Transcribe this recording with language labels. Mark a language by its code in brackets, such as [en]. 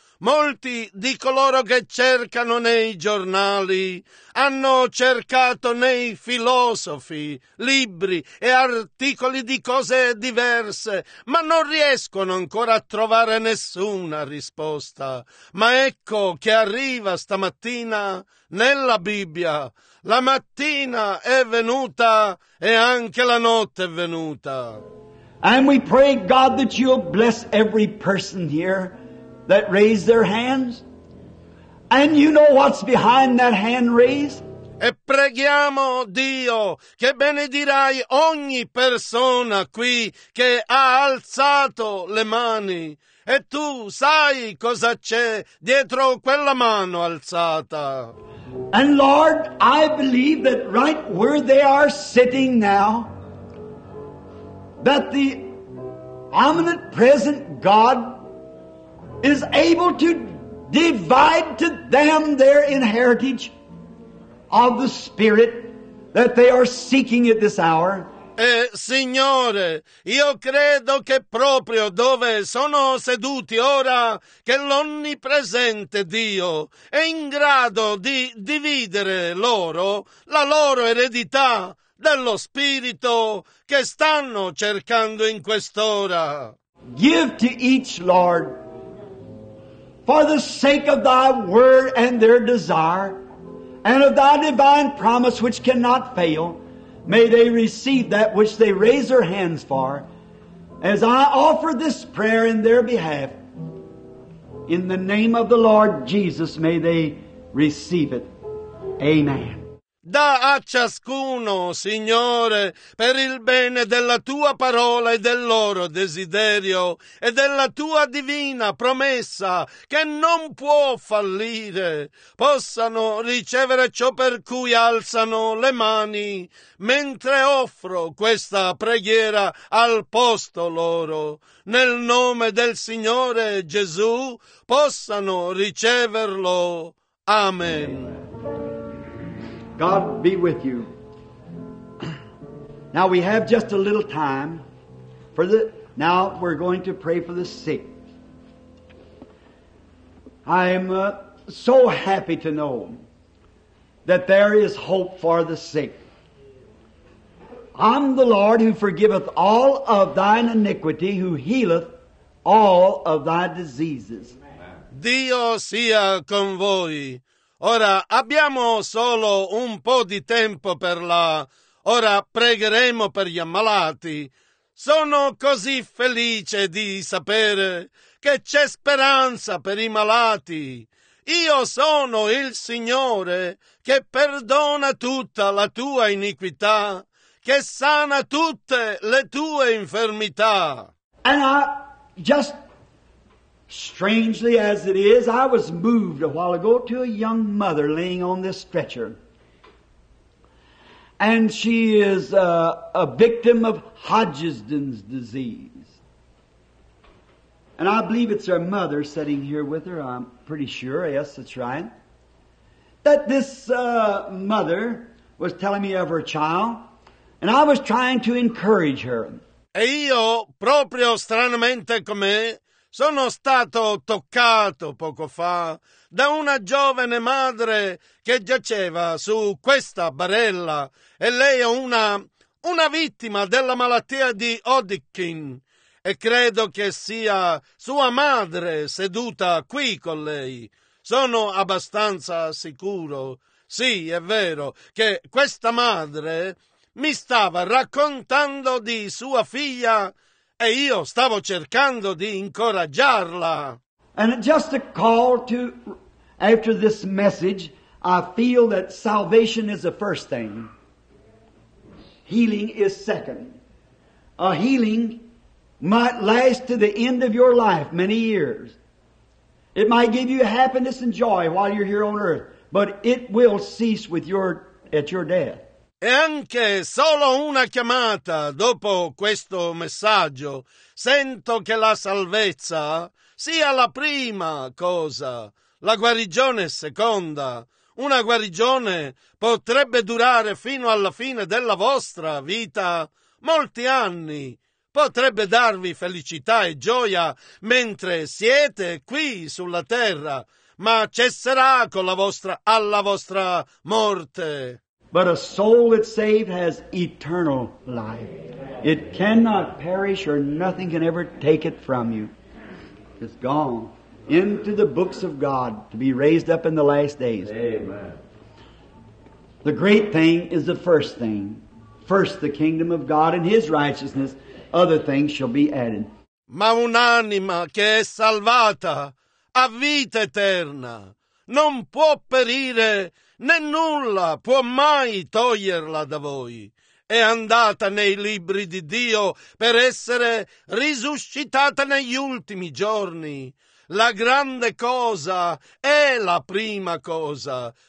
[it] Molti di coloro che cercano nei giornali hanno cercato nei filosofi, libri e articoli di cose diverse, ma non riescono ancora a trovare nessuna risposta. Ma ecco che arriva stamattina nella Bibbia. La mattina è venuta e anche la notte è venuta. [en] And we pray, God, that you'll bless every person here that raise their hands, and you know what's behind that hand raised. [it] E preghiamo Dio che benedirai ogni persona qui che ha alzato le mani, e tu sai cosa c'è dietro quella mano alzata. [en] And Lord, I believe that right where they are sitting now, that the omnipresent God is able to divide to them their inheritance of the Spirit that they are seeking at this hour. [it] Signore, io credo che proprio dove sono seduti ora che l'onnipresente Dio è in grado di dividere loro la loro eredità dello Spirito che stanno cercando in quest'ora. [en] Give to each, Lord, for the sake of thy word and their desire and of thy divine promise which cannot fail. May they receive that which they raise their hands for, as I offer this prayer in their behalf. In the name of the Lord Jesus, may they receive it. Amen. [it] Da a ciascuno, Signore, per il bene della Tua parola e del loro desiderio e della Tua divina promessa che non può fallire, possano ricevere ciò per cui alzano le mani mentre offro questa preghiera al posto loro. Nel nome del Signore Gesù possano riceverlo. Amen. [en] God be with you. Now we have just a little time for the. Now we're going to pray for the sick. I'm so happy to know that there is hope for the sick. I'm the Lord who forgiveth all of thine iniquity, who healeth all of thy diseases. [it] Amen. Dio sia con voi. Ora abbiamo solo un po' di tempo per la. Ora pregheremo per gli ammalati. Sono così felice di sapere che c'è speranza per i malati. Io sono il Signore che perdona tutta la tua iniquità, che sana tutte le tue infermità. [en] And I, just strangely as it is, I was moved a while ago to a young mother laying on this stretcher. And she is a victim of Hodgson's disease. And I believe it's her mother sitting here with her, I'm pretty sure, yes, that's right. That this mother was telling me of her child, and I was trying to encourage her. [it] E io, proprio stranamente come, sono stato toccato poco fa da una giovane madre che giaceva su questa barella e lei è una vittima della malattia di Hodgkin e credo che sia sua madre seduta qui con lei. Sono abbastanza sicuro. Sì, è vero che questa madre mi stava raccontando di sua figlia e io stavo cercando di incoraggiarla. [en] And just a call to, after this message, I feel that salvation is the first thing. Healing is second. A healing might last to the end of your life, many years. It might give you happiness and joy while you're here on earth, but it will cease with your at your death. [it] E anche solo una chiamata dopo questo messaggio, sento che la salvezza sia la prima cosa, la guarigione seconda. Una guarigione potrebbe durare fino alla fine della vostra vita, molti anni. Potrebbe darvi felicità e gioia mentre siete qui sulla terra, ma cesserà con la vostra, alla vostra morte. [en] But a soul that's saved has eternal life. It cannot perish or nothing can ever take it from you. It's gone into the books of God to be raised up in the last days. Amen. The great thing is the first thing. First the kingdom of God and His righteousness. Other things shall be added. [it] Ma un'anima che è salvata ha vita eterna. Non può perire. Né nulla può mai toglierla da voi. È andata nei libri di Dio per essere risuscitata negli ultimi giorni. La grande cosa è la prima cosa,